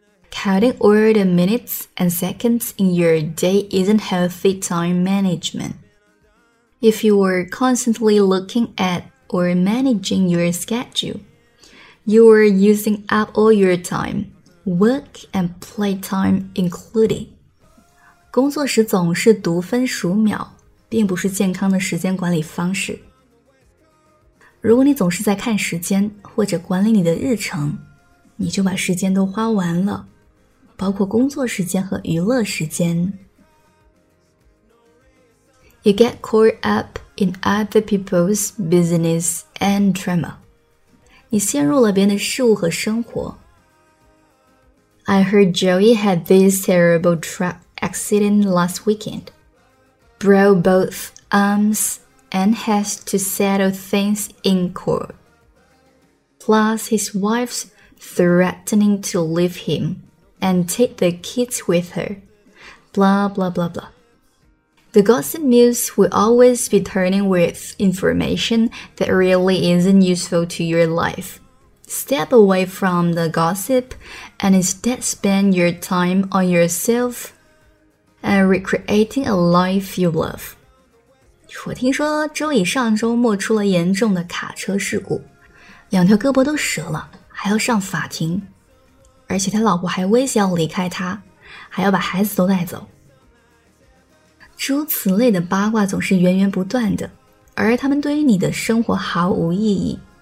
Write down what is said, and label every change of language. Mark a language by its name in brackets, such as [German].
[English] Counting all the minutes and seconds in your day isn't healthy time management. If you are constantly looking at or managing your schedule, you are using up all your time, work and play time included. [Chinese] 工作时总是读分数秒，并不是健康的时间管理方式。如果你总是在看时间或者管理你的日程，你就把时间都花完了，包括工作时间和娱乐时间。 [English] You get caught up in other people's business and drama. [Chinese] 你陷入了别人的事物和生活。 [English] I heard Joey had this terrible truck accident last weekend. Broke both arms. And has to settle things in court. Plus, his wife's threatening to leave him and take the kids with her. Blah, blah, blah, blah. The gossip news will always be turning with information that really isn't useful to your life. Step away from the gossip and instead spend your time on yourself and recreating a life you love. [Chinese] 我听说周乙上周末出了严重的卡车事故，两条胳膊都折了，还要上法庭，而且他老婆还威胁要离开他，还要把孩子都带走。诸此类的八卦总是源源不断的，而他们对于你的生活毫无意义。